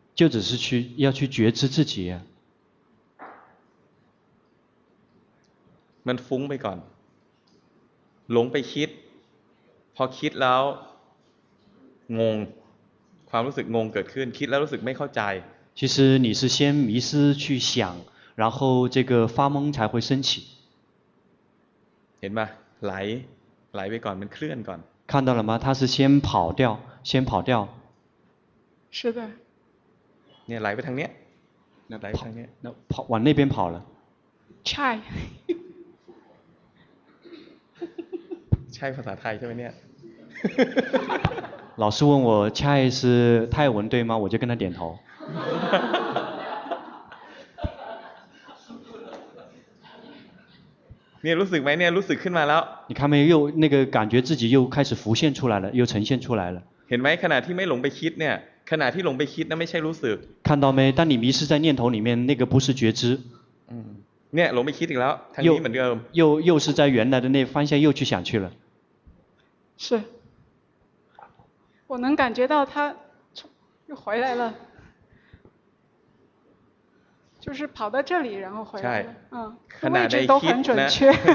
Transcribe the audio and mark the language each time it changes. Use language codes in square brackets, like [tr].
[zh] 就只是去要去觉知自己啊 [th] มันฟุ้งไปก่อนหลงไปคิดพอคิดแล้วงงความรู้สึกงงเกิดขึ้นคิดแล้วรู้สึกไม่เข้าใจ [zh] 其实你是先迷失去想然后这个发懵才会升起 [th] เห็นป่ะไหลไปก่อนมันเคลื่อนก่อน [zh] 看到了吗它是先跑掉是的 [th] เนี่ยไหลไปทางเนี้ยไหลไปทางเนี้ย [zh] 跑往那边跑了 [th] ใช่ ใช่ภาษาไทยใช่ไหมเนี่ย [zh] 老师问我ใช่是泰文对吗我就跟他点头 [th] เนี่ยรู้สึกไหมเนี่ยรู้สึกขึ้นมาแล้ว [zh] 你看没有又那个感觉自己又开始浮现出来了又呈现出来了 [th] เห็นไหมขณะที่ไม่หลงไปคิดเนี่ยขณะที่หลงไปคิดนั่นไม่ใช่รู้สึก [zh] 看到没当你迷失在念头里面那个不是觉知 [th] เนี่ยหลงไปคิดอีกแล้วทางนี้เหมือนเดิม [zh] 又是在原来的那方向又去想去了是我能感觉到他又回来了就是跑到这里然后回来了位置都很准确